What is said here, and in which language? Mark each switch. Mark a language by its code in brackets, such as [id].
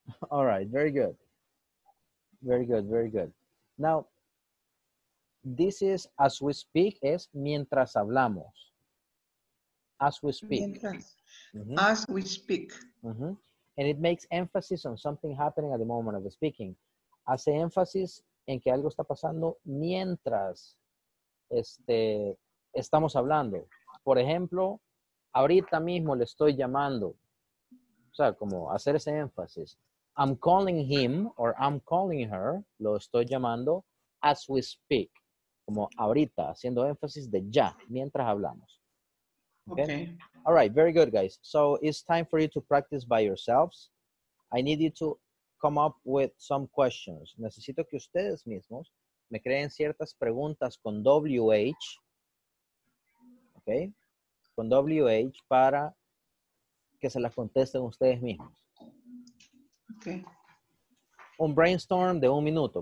[en] All right, very good. Now, this is, as we speak, [es] es mientras hablamos. [en] As we speak. Mm-hmm. As we speak. Mm-hmm. And it makes emphasis on something happening at the moment of the speaking. [es] Hace énfasis en que algo está pasando mientras estamos hablando. Por ejemplo, ahorita mismo le estoy llamando. O sea, como hacer ese énfasis. [en] I'm calling him or I'm calling her. [es] Lo estoy llamando [en] as we speak. [es] Como ahorita, haciendo énfasis de ya, mientras hablamos. [en] Okay. All right, very good, guys. So it's time for you to practice by yourselves. I need you to come up with some questions. [es] Necesito que ustedes mismos me creen ciertas preguntas con WH, okay? Con WH para que se las contesten ustedes mismos. [en] Okay. [es] Un brainstorm de un minuto.